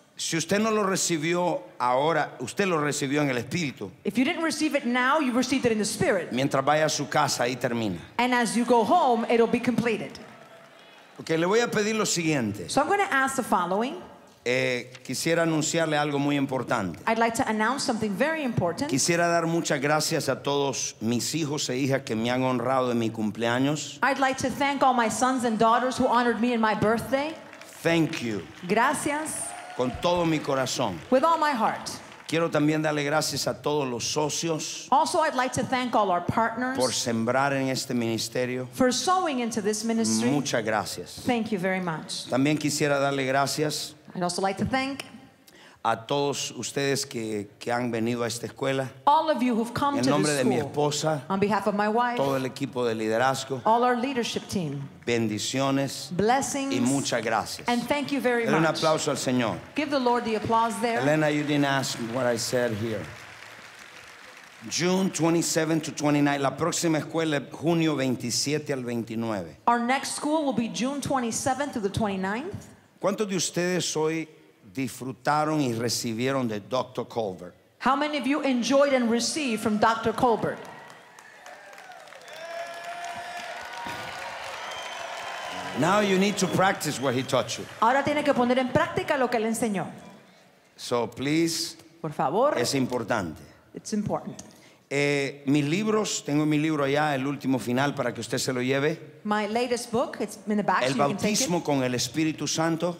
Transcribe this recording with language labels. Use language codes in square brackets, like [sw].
[es] Si usted no lo recibió ahora, usted lo recibió en el Espíritu. [en] If you didn't receive it now, you received it in the Spirit. [es] Mientras vaya a su casa, ahí termina. [en] And as you go home, it'll be completed. [es] Okay, le voy a pedir lo siguiente. [en] So I'm going to ask the following. [es] Quisiera anunciarle algo muy importante. [en] I'd like to announce something very important. [es] Quisiera dar muchas gracias a todos mis hijos e hijas que me han honrado en mi cumpleaños. [en] I'd like to thank all my sons and daughters who honored me in my birthday. Thank you. [es] Gracias. Con todo mi corazón. [en] With all my heart. [es] Quiero también darle gracias a todos los socios. [en] Also, I'd like to thank all our partners. [es] Por sembrar en este ministerio. [en] For sowing into this ministry. [es] Muchas gracias. [en] Thank you very much. [es] También quisiera darle gracias. [en] I'd also like to thank. [es] A todos ustedes que han venido a esta escuela. [en] All of you who've come to this school. [es] En nombre de mi esposa. [en] On behalf of my wife. [es] Todo el equipo de liderazgo. [en] All our leadership team. [es] Bendiciones. [en] Blessings. [es] Y muchas gracias. [en] And thank you very much. [es] Un aplauso al Señor. [en] Give the Lord the applause there. Elena, you didn't ask what I said here. June 27 to 29. [es] La próxima escuela es junio 27 al 29. [en] Our next school will be June 27 through the 29th. [es] ¿Cuántos de ustedes hoy disfrutaron y recibieron de Dr. Colbert? [en] How many of you enjoyed and received from Dr. Colbert? Now you need to practice what he taught you. [es] Ahora tiene que poner en práctica lo que le enseñó. [en] So please, [es] por favor, es importante. [en] It's important. [es] Mis libros, tengo mi libro allá, el último final, para que usted se lo lleve. [en] My latest book, it's in the back, [es] el [en] so [es] bautismo [en] you can take it. [es] Con el Espíritu Santo.